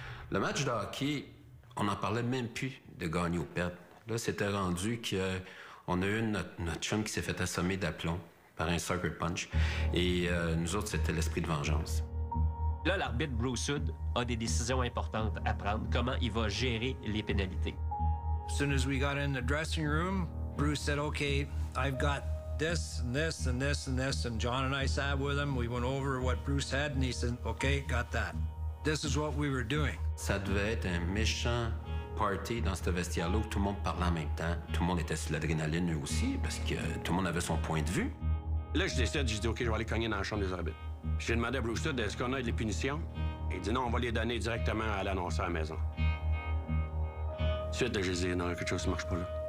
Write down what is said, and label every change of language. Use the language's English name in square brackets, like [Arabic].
[French] Le match de hockey, on n'en parlait même plus de gagner ou perdre. Là, c'était rendu qu'on a eu notre chum qui s'est fait assommer d'aplomb par un sucker punch. Et nous autres, c'était l'esprit de vengeance. Là, l'arbitre Bruce Hood a des décisions importantes à prendre. Comment il va gérer les pénalités? [English] As soon as we got in the dressing room, Bruce said, OK, I've got this and this and this and this. And John and I sat with him. We went over what Bruce had and he said, OK, got that. This is what we were doing. [French] Ça devait être un méchant party dans ce vestiaire-là où tout le monde parlait en même temps. Tout le monde était sous l'adrénaline, eux aussi, parce que tout le monde avait son point de vue. Là, je décide, je dis, OK, je vais aller cogner dans la chambre des arbitres. J'ai demandé à Bruce Hood, est-ce qu'on a des punitions? Il dit, non, on va les donner directement à l'annonceur à la maison. Suite, je dis, non, quelque chose ne marche pas là.